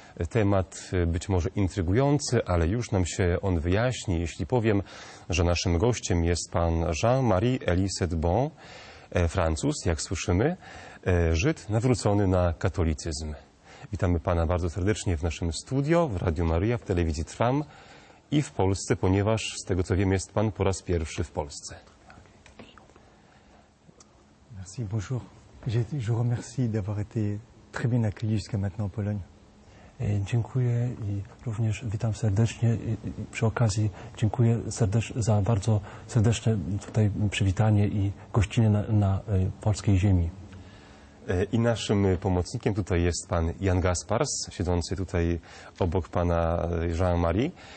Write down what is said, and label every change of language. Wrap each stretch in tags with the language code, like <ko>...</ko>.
<pl>Temat być może intrygujący, ale już nam się on wyjaśni, jeśli powiem, że naszym gościem jest pan Jean-Marie Elisette Bon, Francuz, jak słyszymy, Żyd nawrócony na katolicyzm. Witamy pana bardzo serdecznie w naszym studio, w Radiu Maria, w telewizji Trwam i w Polsce, ponieważ z tego co wiem, jest pan po raz pierwszy w Polsce.</pl> <fr>Merci, bonjour. Je remercie d'avoir été très bien accueilli jusqu'à maintenant en Pologne.</fr> <pl>Dziękuję i również witam serdecznie i przy okazji dziękuję za bardzo serdeczne tutaj przywitanie i gościnę na polskiej ziemi. I naszym pomocnikiem tutaj jest pan Jan Gaspars, siedzący tutaj obok pana Jean-Marie.</pl>